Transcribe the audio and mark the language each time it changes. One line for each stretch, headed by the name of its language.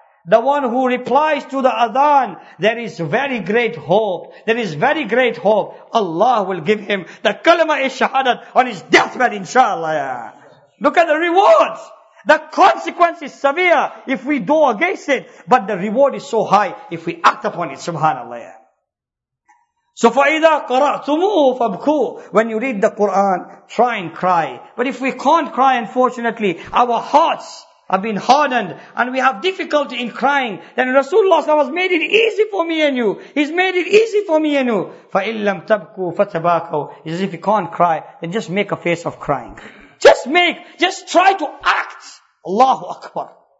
English: The one who replies to the adhan, there is very great hope. There is very great hope. Allah will give him the kalima is shahadat on his deathbed, inshallah. Look at the rewards. The consequence is severe if we go against it, but the reward is so high if we act upon it, subhanallah.
Arabic: So فَإِذَا قَرَأْتُمُوهُ فَبْكُوا.
English: When you read the Quran, try and cry. But if we can't cry, unfortunately, our hearts have been hardened and we have difficulty in crying, then Rasulullah has made it easy for me and you. He's made it easy for me and you.
Arabic: فَإِنْ لَمْ تَبْكُوا فَتَبَاكُوا.
English: It's as if you can't cry, then just make a face of crying. Just try to act. Allahu Akbar.